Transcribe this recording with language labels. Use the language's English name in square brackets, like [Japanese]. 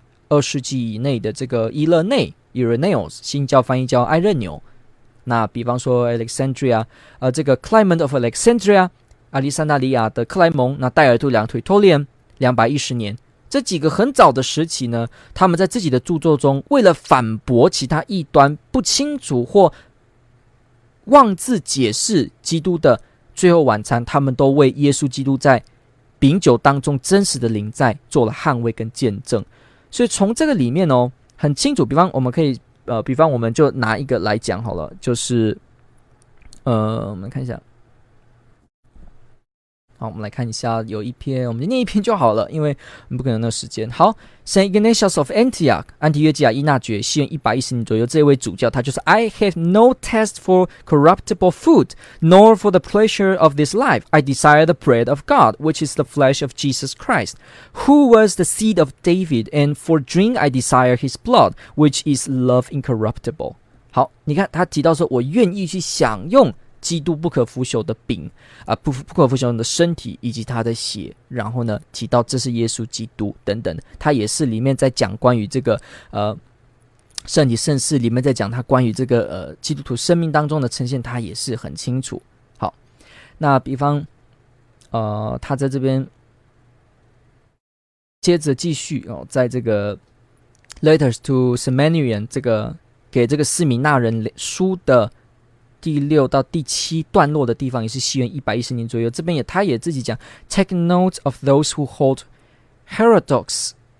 [Chinese] 二世纪以内的这个伊勒内 Irenaeus 新教翻译叫埃任纽，那比方说 Alexandria 这个 Clement of Alexandria，阿里桑纳里亚的克莱蒙，那戴尔杜良推托连210年，这几个很早的时期呢，他们在自己的著作中为了反驳其他异端不清楚或妄自解释基督的最后晚餐，他们都为耶稣基督在饼酒当中真实的临在做了捍卫跟见证。所以从这个里面哦，很清楚，比方我们可以比方我们就拿一个来讲好了，就是我们看一下好，我们来看一下，有一篇，我们就念一篇就好了，因为我们不可能有那个时间。好， St. [English] Ignatius of Antioch， [Chinese] 安提约基亚伊纳爵，西元110年左右，这位主教，他就是 [English] I have no taste for corruptible food, nor for the pleasure of this life. I desire the bread of God, which is the flesh of Jesus Christ, who was the seed of David, and for drink I desire his blood, which is love incorruptible. [Chinese] 好，你看他提到说，我愿意去享用基督不可腐朽的饼、不可腐朽的身体以及他的血，然后呢提到这是耶稣基督等等，他也是里面在讲关于这个圣体圣事里面在讲他关于这个基督徒生命当中的呈现，他也是很清楚。好，那比方他在这边接着继续、在这个 Letters to Simonian 这个给这个斯米纳人书的第六到第七段落的地方，也是西元110年左右，这边也他也自己讲 [English] Take note of those who hold heterodox